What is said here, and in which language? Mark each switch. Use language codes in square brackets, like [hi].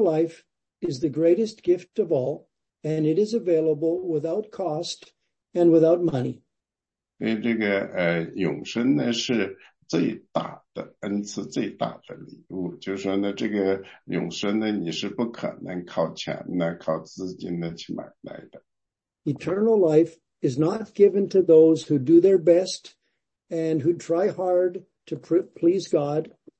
[en] life is the greatest gift of all, and it is available without cost and without money. [zh] 因为这个永生呢是 最大的恩赐,最大的礼物,就是说呢,这个永生呢,你是不可能靠钱呢,靠资金呢,去买来的。 [en] Eternal life is not given to those who do their best and who try hard to please God.